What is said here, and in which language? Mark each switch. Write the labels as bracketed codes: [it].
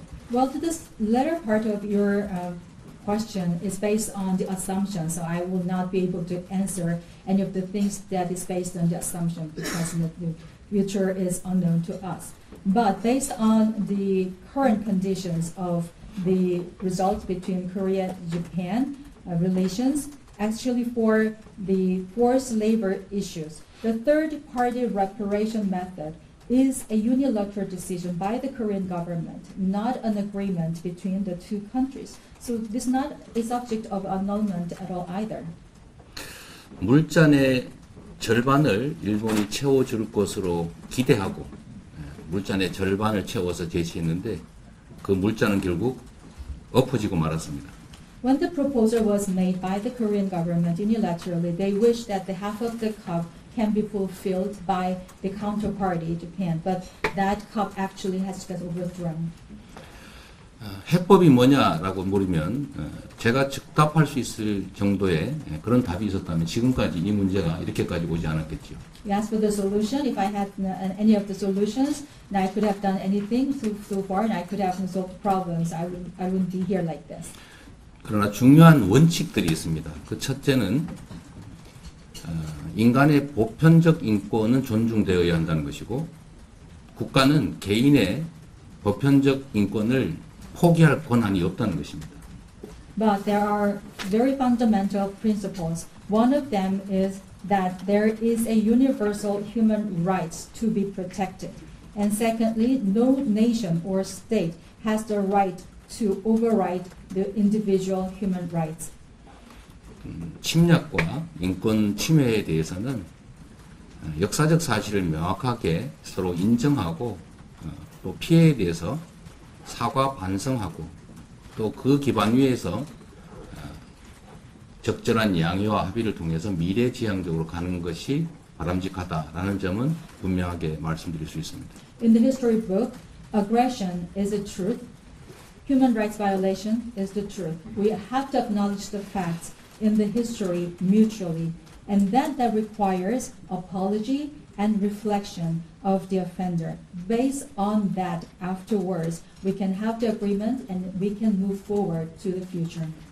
[en] Well, to this latter part of your question is based on the assumption, so I will not be able to answer any of the things that is based on the assumption because the future is unknown to us. But based on the current conditions of the results between Korea and Japan relations, actually for the forced labor issues, the third-party reparation method is a unilateral decision by the Korean government, not an agreement between the two countries. So this is not a subject of annulment at all either. [ko] 물잔의 절반을 일본이 채워줄 것으로 기대하고 물잔의 절반을 채워서 제시했는데 그 물잔은 결국 엎어지고 말았습니다. [en] When the proposal was made by the Korean government unilaterally, they wished that the half of the cup can be fulfilled by the counterparty, Japan, but that cup actually has got overthrown. [ko] 해법이 뭐냐라고 물으면 제가 즉답할 수 있을 정도의 그런 답이 있었다면 지금까지 이 문제가 이렇게까지 오지 않았겠죠. [en] You asked for the solution. If I had any of the solutions, then I could have done anything so far, and I could have solved problems. I wouldn't be here like this. [ko] 그러나 중요한 원칙들이 있습니다. 그 첫째는 인간의 보편적 인권은 존중되어야 한다는 것이고 국가는 개인의 보편적 인권을 포기할 권한이 없다는 것입니다. [en] But there are very fundamental principles. One of them is that there is a universal human right to be protected. And secondly, no nation or state has the right to override the individual human rights. [ko] 침략과 인권 침해에 대해서는 역사적 사실을 명확하게 서로 인정하고 또 피해에 대해서 사과 반성하고 또 그 기반 위에서 적절한 양해와 합의를 통해서 미래지향적으로 가는 것이 바람직하다라는 점은 분명하게 말씀드릴 수 있습니다. [en] In the history book, aggression is a truth. Human rights violation is the truth. We have to acknowledge the facts in the history mutually, and that requires apology and reflection of the offender. Based on that, afterwards, we can have the agreement and we can move forward to the future.